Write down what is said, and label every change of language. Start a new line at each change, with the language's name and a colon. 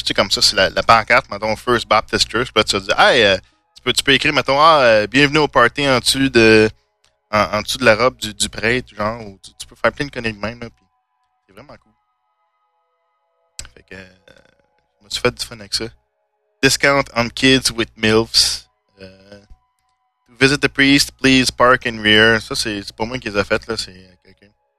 French: Tu sais, comme ça, c'est la pancarte, mettons, First Baptist Church. Puis là, tu vas dire, hey, Tu peux écrire, mettons, bienvenue au party en dessous de la robe du prêtre, genre, ou tu peux faire plein de conneries même, là, pis c'est vraiment cool. Fait que, je me suis fait du fun avec ça.
English: Discount on kids with MILFs. To visit the priest, please park in rear.
French: Ça, c'est pas moi qui les a faites, là, c'est quelqu'un.